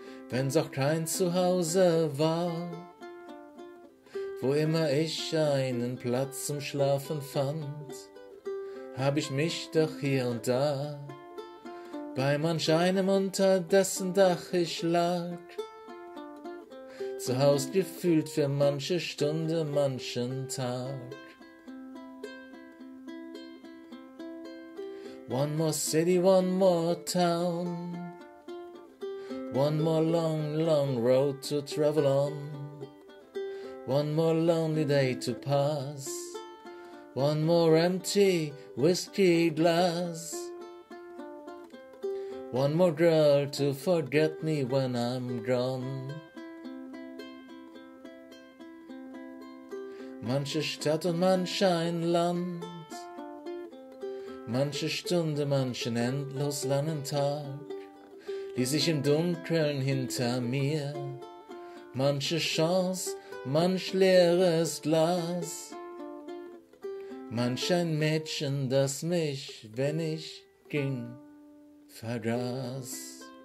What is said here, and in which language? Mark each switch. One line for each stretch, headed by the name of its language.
German: Wenn's auch kein Zuhause war, wo immer ich einen Platz zum Schlafen fand, hab ich mich doch hier und da bei manch einem, unter dessen Dach ich lag, zu Haus gefühlt für manche Stunde, manchen Tag.
English: One more city, one more town, one more long, long road to travel on, one more lonely day to pass, one more empty whiskey glass, one more girl to forget me when I'm gone.
German: Manche Stadt und manch ein Land, manche Stunde, manchen endlos langen Tag, ließ ich im Dunkeln hinter mir. Manche Chance, manch leeres Glas, manch ein Mädchen, das mich, wenn ich ging, vergaß.